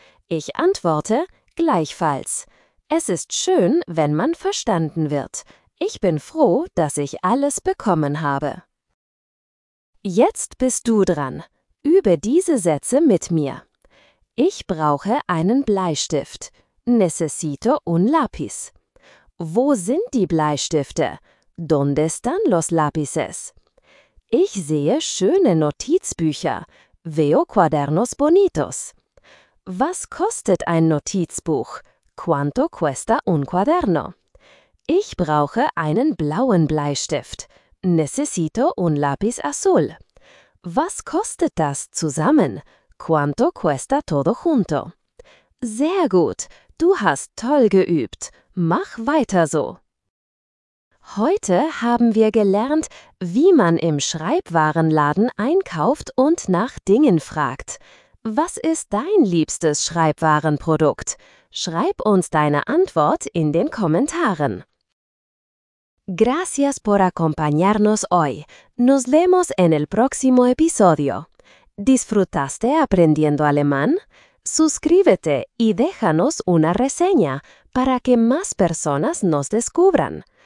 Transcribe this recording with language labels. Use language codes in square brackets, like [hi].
[de] Ich antworte, gleichfalls. Es ist schön, wenn man verstanden wird. Ich bin froh, dass ich alles bekommen habe. Jetzt bist du dran. Übe diese Sätze mit mir. Ich brauche einen Bleistift. [es] Necesito un lápiz. [de] Wo sind die Bleistifte? [es] ¿Dónde están los lápices? [de] Ich sehe schöne Notizbücher. [es] Veo cuadernos bonitos. [de] Was kostet ein Notizbuch? [es] ¿Cuánto cuesta un cuaderno? [de] Ich brauche einen blauen Bleistift. [es] Necesito un lápiz azul. [de] Was kostet das zusammen? [es] ¿Cuánto cuesta todo junto? [de] Sehr gut! Du hast toll geübt. Mach weiter so! Heute haben wir gelernt, wie man im Schreibwarenladen einkauft und nach Dingen fragt. Was ist dein liebstes Schreibwarenprodukt? Schreib uns deine Antwort in den Kommentaren. [es] Gracias por acompañarnos hoy. Nos vemos en el próximo episodio. ¿Disfrutaste aprendiendo alemán? Suscríbete y déjanos una reseña para que más personas nos descubran.